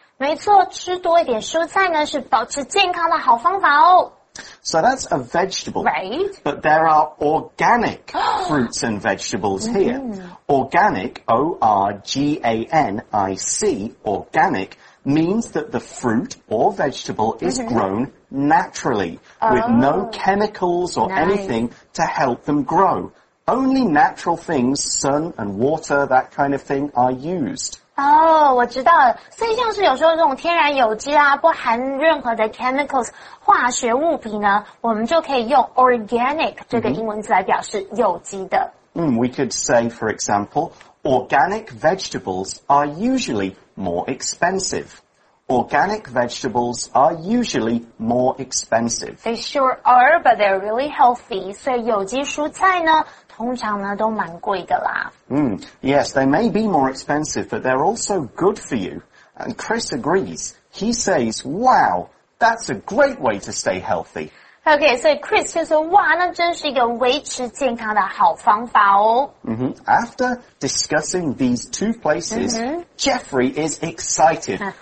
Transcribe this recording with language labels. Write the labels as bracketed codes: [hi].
[zh] 没错，吃多一点蔬菜呢是保持健康的好方法哦。 [en] So that's a vegetable. Right. But there are organic fruits and vegetables here. Organic, O-R-G-A-N-I-C, organic, means that the fruit or vegetable is grown naturally, with no chemicals or anything to help them grow.Only natural things, sun and water, that kind of thing, are used. [zh] 哦，我知道了。所以像是有时候这种天然有机啊，不含任何的 chemicals 化学物品呢，我们就可以用 organic 这个英文字来表示有机的。 [en] We could say, for example, organic vegetables are usually more expensive. Organic vegetables are usually more expensive. They sure are, but they're really healthy. [zh] 所以有机蔬菜呢通常呢都蛮贵的啦。 [en] Yes, they may be more expensive, but they're also good for you. And Chris agrees. He says, wow, that's a great way to stay healthy. [zh] Okay, 所以 Chris 就说哇那真是一个维持健康的好方法哦。 [en] After discussing these two places, Jeffrey is excited.